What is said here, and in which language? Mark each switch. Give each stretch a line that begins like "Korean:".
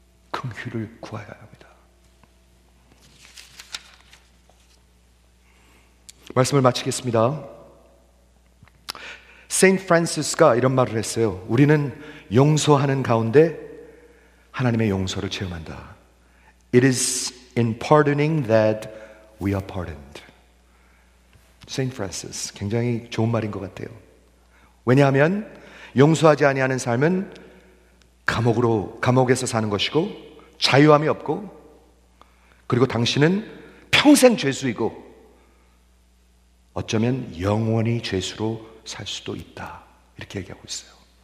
Korean: 긍휼을 구해야 합니다. 말씀을 마치겠습니다. 세인트 프란시스가 이런 말을 했어요. 우리는 용서하는 가운데 하나님의 용서를 체험한다.
English: It is in pardoning that we are pardoned.
Korean: Saint Francis, 굉장히 좋은 말인 것 같아요. 왜냐하면 용서하지 아니하는 삶은 감옥에서 사는 것이고 자유함이 없고 그리고 당신은 평생 죄수이고 어쩌면 영원히 죄수로 살 수도 있다 이렇게 얘기하고 있어요.